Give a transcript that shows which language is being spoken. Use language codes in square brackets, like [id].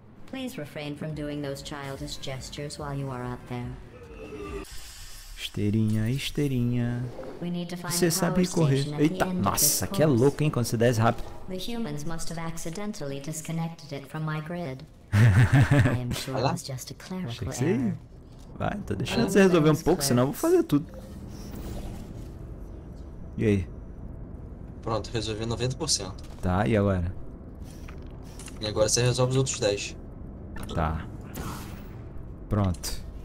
[en] Please refrain from doing those childish gestures while you are out there. [pt] Esteirinha, esteirinha. Você sabe correr. Eita, nossa, que é louco, hein, quando você desce rápido. [en] The humans must have accidentally disconnected it from my grid. I am sure it was just a clerical error. [pt] Vai, tô deixando você resolver um pouco, senão eu vou fazer tudo. E aí? Pronto, resolvi 90%. Tá, e agora? E agora você resolve os outros 10. Tá. Pronto.